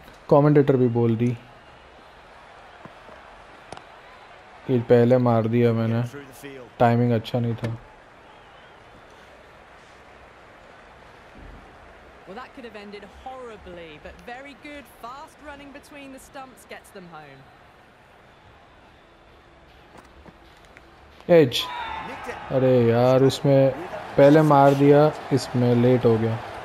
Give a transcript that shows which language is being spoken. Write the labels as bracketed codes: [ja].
[hi] Commentator भी बोल दी कि पहले मार दिया मैंने, टाइमिंग अच्छा नहीं था। [en] Ended horribly, but very good. Fast running between the stumps gets them home. Edge. [hi] अरे यार उसमें पहले मार दिया, इसमें लेट हो गया।